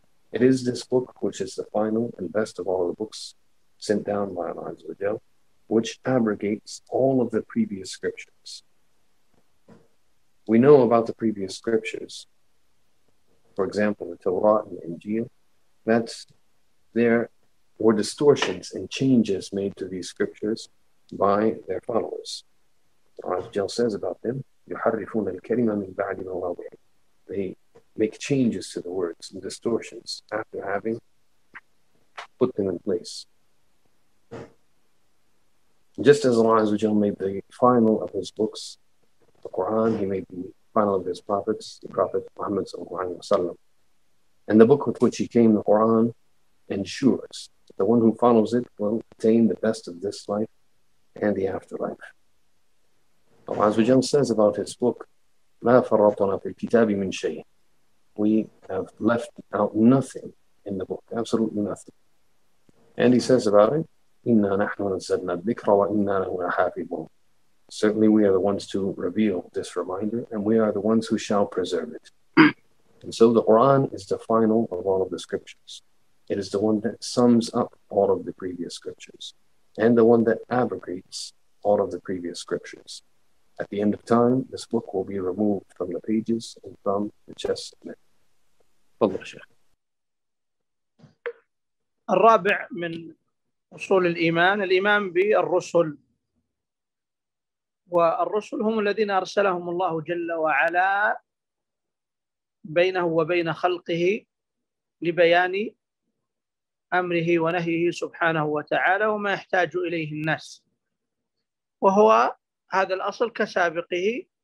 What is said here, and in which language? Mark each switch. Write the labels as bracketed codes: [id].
[en] It is this book which is the final and best of all of the books sent down by Allah Azza wa Jalla, which abrogates all of the previous scriptures. We know about the previous scriptures, for example, the Torah and the Injil, that there were distortions and changes made to these scriptures by their followers. Allah Jal says about them, [ar] يُحَرِّفُونَ الْكَرِيمَ مِنْ بَعْدِ مَا وَضَعَهُ. [en] They make changes to the words and distortions after having put them in place. Just as Allah Jal made the final of His books, the Quran, He made the final of His prophets, the Prophet Muhammad sallallahu. And the book with which He came, the Quran, ensures that the one who follows it will attain the best of this life and the afterlife. Allah Azza wa Jalla says about His book, [ar] مَا فَرَّطْنَا فِي الْكِتَابِ مِنْ شَيْءٍ. [en] We have left out nothing in the book, absolutely nothing. And He says about it, [ar] إِنَّا نَحْنُ نَزَّلْنَا الذِّكْرَ وَإِنَّا لَهُ لَحَافِظُونَ. [en] Certainly we are the ones to reveal this reminder, and we are the ones who shall preserve it. And so the Quran is the final of all of the scriptures. It is the one that sums up all of the previous scriptures and the one that abrogates all of the previous scriptures. At the end of time, this book will be removed from the pages and from the chest of men. Allah Shaykh. [ar] الرابع من أصول الإيمان الإيمان بالرسل. والرسل هم الذين أرسلهم الله جل وعلا بينه وبين خلقه لبيان أمره ونهيه سبحانه وتعالى وما يحتاج إليه الناس، وهو هذا الأصل كسابقه